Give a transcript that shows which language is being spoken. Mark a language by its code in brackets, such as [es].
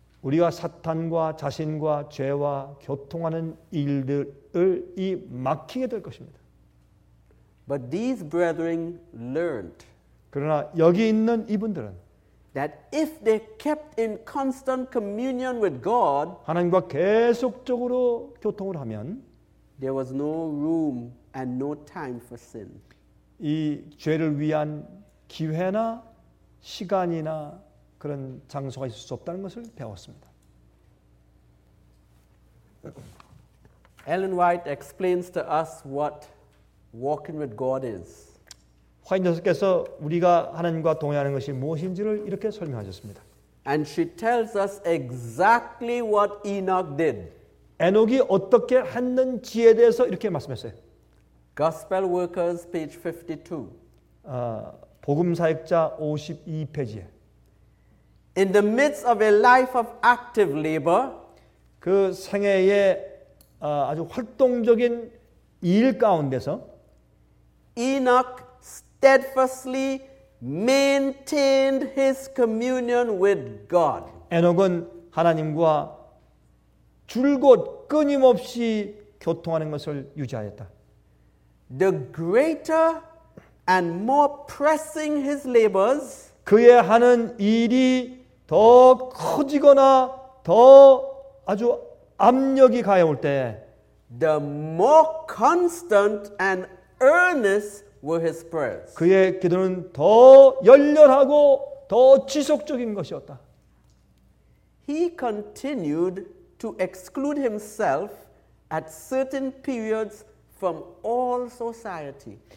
[ko] 우리가 사탄과 자신과 죄와 교통하는 일들을 이 막히게 될 것입니다. [en] But these brethren learned [ko] 그러나 여기 있는 이분들은 [en] that if they kept in constant communion with God [ko] 하나님과 계속적으로 교통을 하면 [en] there was no room and no time for sin [ko] 이 죄를 위한 기회나 시간이나 그런 장소가 있을 수 없다는 것을 배웠습니다. [en] Ellen White explains to us what Walking with God is. [ko] 화인 여사께서 우리가 하나님과 동행하는 것이 무엇인지를 이렇게 설명하셨습니다. [en] And she tells us exactly what Enoch did. [ko] 에녹이 어떻게 했는지에 대해서 이렇게 말씀했어요. [en] Gospel Workers, page 52. [ko] 복음사역자 52페이지에. [en] In the midst of a life of active labor, [ko] 그 생애의 아주 활동적인 일 가운데서. [en] Enoch steadfastly maintained his communion with God. [ko] 에녹은 하나님과 줄곧 끊임없이 교통하는 것을 유지하였다. [en] The greater and more pressing his labors, [ko] 그의 하는 일이 더 커지거나 더 아주 압력이 가해올 때, [en] the more constant and earnest were his prayers. [ko] 그의 기도는 더 열렬하고 더 지속적인 것이었다. [en] He continued to exclude himself at certain periods from all society.